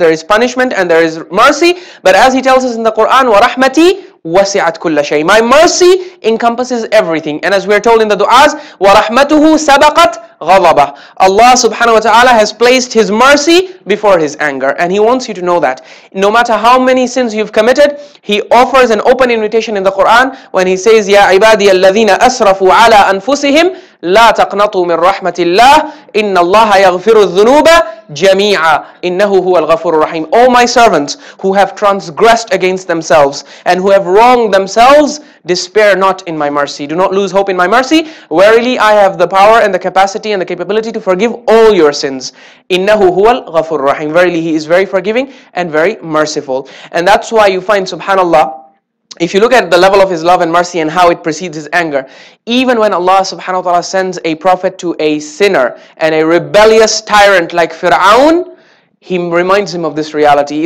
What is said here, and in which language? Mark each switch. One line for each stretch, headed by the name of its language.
English: There is punishment and there is mercy. But as He tells us in the Quran,
Arabic: وَرَحْمَتِي وَسِعَتْ كُلَّ شَيْءٍ.
English: My mercy encompasses everything. And as we are told in the du'as,
Arabic: وَرَحْمَتُهُ سَبَقَتْ غَضَبَهُ.
English: Allah subhanahu wa ta'ala has placed His mercy before His anger. And He wants you to know that. No matter how many sins you've committed, He offers an open invitation in the Quran when He says,
Arabic: يَا عِبَادِيَ الَّذِينَ أَسْرَفُوا عَلَىٰ أَنفُسِهِمْ لا تقنطوا من رحمة الله إن الله يغفر الذنوب جميعا إنه هو الغفور الرحيم.
English: All my servants who have transgressed against themselves and who have wronged themselves, despair not in my mercy. Do not lose hope in my mercy. Verily, I have the power and the capacity and the capability to forgive all your sins.
Arabic: إنه هو الغفور الرحيم.
English: Verily, He is very forgiving and very merciful. And that's why you find, subhanAllah, if you look at the level of His love and mercy and how it precedes His anger, even when Allah subhanahu wa ta'ala sends a prophet to a sinner and a rebellious tyrant like Fir'aun, He reminds him of this reality.